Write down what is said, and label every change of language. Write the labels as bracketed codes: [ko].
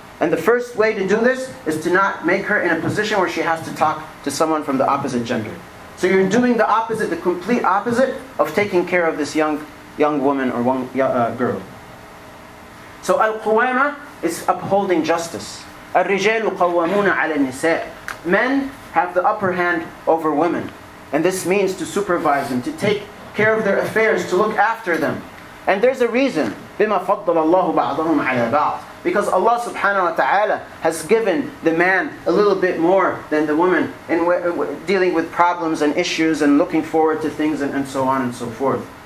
[en] And the first way to do this is to not make her in a position where she has to talk to someone from the opposite gender. So you're doing the opposite, the complete opposite of taking care of this young woman or girl. So al-qawama is upholding justice. [ar] الرجال قوامون على النساء. [en] Men have the upper hand over women. And this means to supervise them, to take care of their affairs, to look after them. And there's a reason. [ar] بِمَا فَضَّلَ اللَّهُ بَعْضَهُمْ عَلَى بَعْضٍ. [en] Because Allah subhanahu wa ta'ala has given the man a little bit more than the woman in dealing with problems and issues and looking forward to things and so on and so forth.